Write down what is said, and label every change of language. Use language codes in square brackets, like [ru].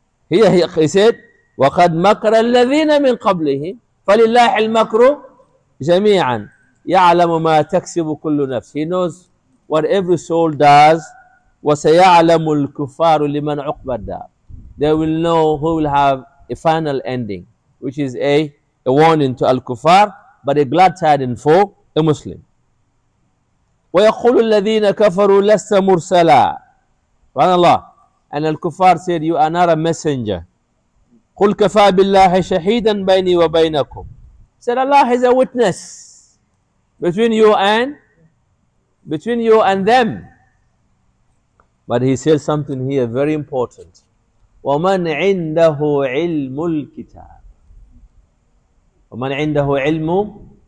[en] He said, [ar] وَقَدْ مَكْرَ الَّذِينَ مِنْ قَبْلِهِ فَلِلَّهِ الْمَكْرُ جَمِيعًا يَعْلَمُ مَا تَكْسِبُ كُلُّ نَفْسِ. [en] He knows what every soul does. [ar] وَسَيَعْلَمُ الْكُفَّارُ لِمَنْ عُقْبَ الدَّارِ. [en] They will know who will have a final ending, which is a warning to al-kuffar, but a glad tidings for a Muslim. [ar] ويقول الذين كفروا لست مرسلا. سبحان الله. [en] And al-kuffar said, you are not a messenger. [ar] قل كفى بالله شهيدا بيني وبينكم. [en] Said Allah is a witness between you and them. But he says something here very important. [ar] وَمَنْ عِنْدَهُ عِلْمُ الْكِتَابِ وَمَنْ عِنْدَهُ عِلْمُ.